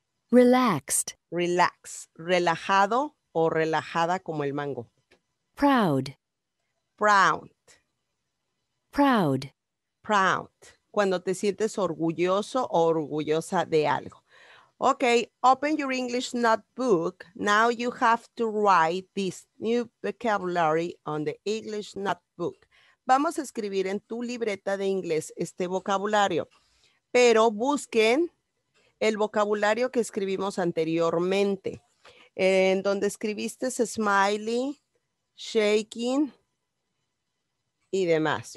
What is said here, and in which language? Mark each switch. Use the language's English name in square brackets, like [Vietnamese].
[English] Relaxed. [Spanish] Relax. Relajado o relajada como el mango. [English] Proud. Proud. Proud. Proud. [Spanish] Cuando te sientes orgulloso o orgullosa de algo. [English] Okay, open your English notebook. Now you have to write this new vocabulary on the English notebook. [Spanish] Vamos a escribir en tu libreta de inglés este vocabulario. Pero busquen el vocabulario que escribimos anteriormente. En donde escribiste smiley, shaking y demás.